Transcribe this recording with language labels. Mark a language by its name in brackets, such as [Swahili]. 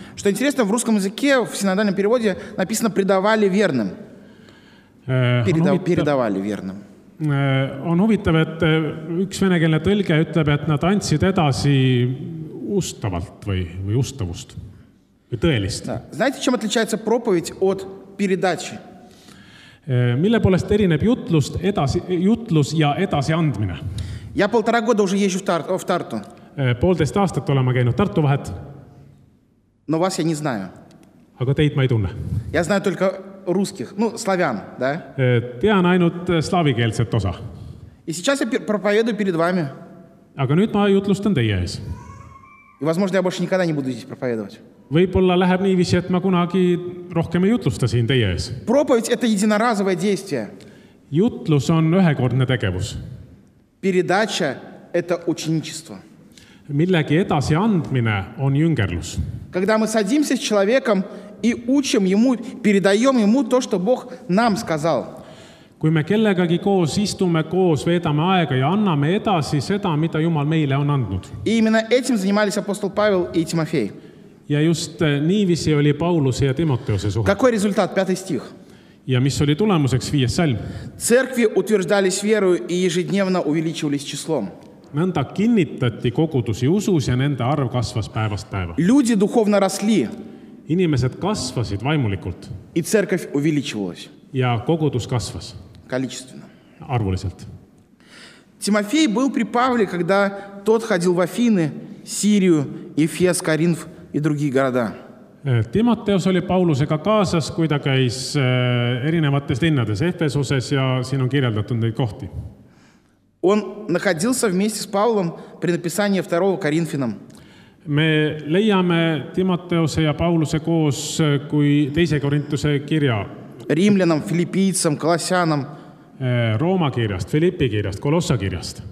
[Russian] Что интересно, в русском языке в синодальном переводе написано «предавали верным». Передавали верным. [Estonian] On huvitav, et üks venekeelne tõlge ütleb, et nad andsid edasi ustavalt või ustavust või tõelist. [Russian] Da. Знаете, чем отличается проповедь от передачи? [Estonian] Mille poolest erineb jutlus ja edasi andmine? [Russian] Я полтора года уже езжу в Тарту. [Estonian] Poolteist aastat olema käinud Tartu vahet. [Russian] Но вас я не знаю. [Estonian] Aga teid ma ei tunne. [Russian] Я знаю только русских, ну, славян, да? [Estonian] Tean ainult slaavikeelset osa. [Russian] И сейчас я проповедую перед вами. [Estonian] Aga nüüd ma jutlustan teie ees. [Russian] И, возможно, я больше никогда не буду здесь проповедовать. [Estonian] Võib-olla läheb niivisi, et ma kunagi rohkem ei jutlusta siin teie ees. [Russian] Проповедь – это единоразовое действие. [Estonian] Jutlus on ühekordne tegevus. [Russian] Передача – это ученичество. [Estonian] Millegi edasi andmine on jüngerlus. [Russian] Когда мы садимся с человеком и учим ему, передаем ему то, что Бог нам сказал. [Estonian] Kui me kellegagi koos istume, koos veedame aega ja anname edasi seda, mida Jumal meile on andnud. [Russian] И именно этим занимались апостол Павел и Тимофей. [Estonian] Ja just niivisi oli Paulus ja Timoteuse suhe. [Russian] Какой результат? Пятый стих. [Estonian] Ja mis oli tulemuseks viies salm? [Russian] Церкви утверждались верою и ежедневно увеличивались числом. [Estonian] Nõnda kinnitati kogudusi usus ja nende arv kasvas päevast päeva. [Russian] Люди духовно росли. [Estonian] Inimesed kasvasid vaimulikult. [Russian] И церковь увеличивалась. [Estonian] Ja kogudus kasvas. [Russian] Количественно. [Estonian] Arvuliselt. [Russian] Тимофей был при Павле, когда тот ходил в Афины, Сирию, Ефес, Коринф и другие города. [Estonian] Тимотеус oli Paulusega kaasas, kui ta käis erinevates linnades, Efesuses ja siin on kirjeldatud neid kohti. [Russian] Он находился вместе с Павлом при написании 2 Коринфянам. [Estonian] Me leiame Timoteuse ja Pauluse koos kui 2. Korintuse kirja. [Russian] Римлянам, Филиппийцам, Колоссянам. [Estonian] Rooma kirjast, Filippi kirjast, Kolossa kirjast.